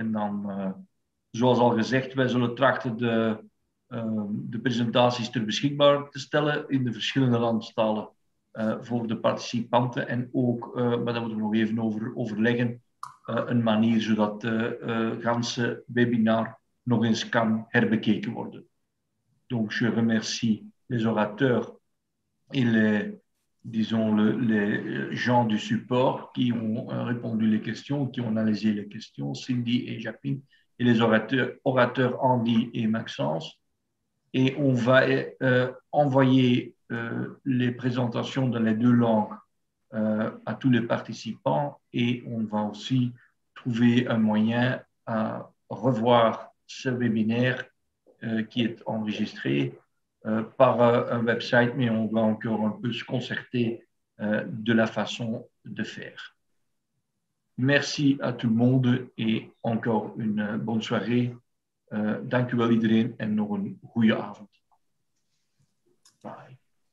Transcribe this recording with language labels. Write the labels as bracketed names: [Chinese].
[Dutch] En dan, zoals al gezegd, wij zullen trachten de presentaties ter beschikbaar te stellen in de verschillende landstalen. Voor de participanten en ook, maar daar moeten we nog even over overleggen, een manier zodat het ganse webinar nog eens kan herbekeken worden. [French] Donc, je remercie les orateurs et les, disons, les gens du support qui ont répondu les questions, qui ont analysé les questions, Cindy et Jacqueline, et les orateurs Andy et Maxence. Et on va envoyer les présentations dans les deux langues à tous les participants et on va aussi trouver un moyen à revoir ce webinaire qui est enregistré par un website, mais on va encore un peu se concerter de la façon de faire. Merci à tout le monde et encore une bonne soirée. [Dutch] Dank u wel iedereen en nog een goede avond. Bye.